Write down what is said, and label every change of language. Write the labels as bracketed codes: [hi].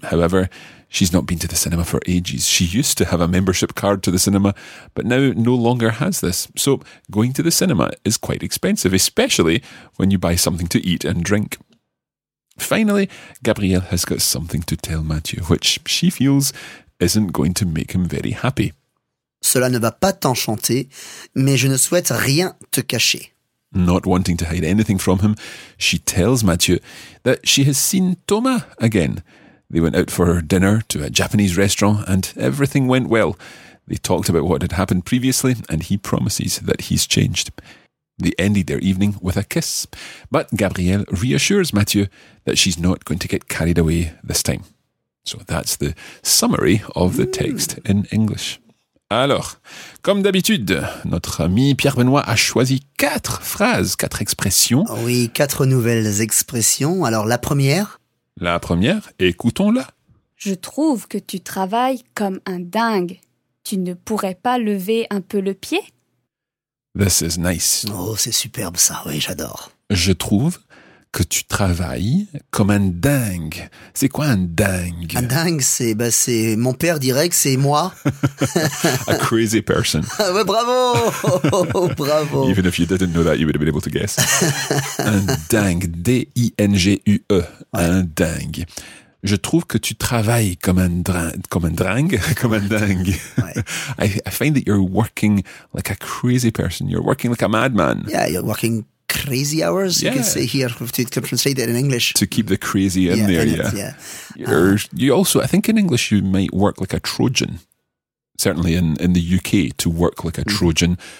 [en] However, she's not been to the cinema for ages. She used to have a membership card to the cinema, but now no longer has this. So going to the cinema is quite expensive, especially when you buy something to eat and drink. Finally, Gabrielle has got something to tell Mathieu, which she feels isn't going to make him very happy. [fr] Cela ne va pas t'enchanter, mais je ne souhaite rien te cacher. [en] Not wanting to hide anything from him, she tells Mathieu that she has seen Thomas again. They went out for dinner to a Japanese restaurant and everything went well. They talked about what had happened previously and he promises that he's changed. They ended their evening with a kiss. But Gabrielle reassures Mathieu that she's not going to get carried away this time. So that's the summary of the text in English. [fr] Alors, comme d'habitude, notre ami Pierre Benoît a choisi quatre phrases, quatre expressions. Oui, quatre nouvelles expressions. Alors, la première. La première, écoutons-la. Je trouve que tu travailles comme un dingue. Tu ne pourrais pas lever un peu le pied? [en] This is nice. [fr] Oh, c'est superbe ça, oui, j'adore. Je trouve que tu travailles comme un dingue. C'est quoi un dingue? Un dingue, c'est mon père dirait que c'est moi. [en] A crazy person. [fr] Ouais, bravo, bravo. [en] Even if you didn't know that, you would have been able to guess. [fr] Un dingue, D-I-N-G-U-E, ouais. Un dingue. Je trouve que tu travailles comme un dingue. Ouais. [en] I find that you're working like a crazy person. You're working like a madman. Yeah, you're working crazy hours, yeah. You can say here, if you can translate it in English. To keep the crazy in there, in yeah. It, yeah. You also, I think in English, you might work like a Trojan. Certainly in the UK, to work like a Trojan.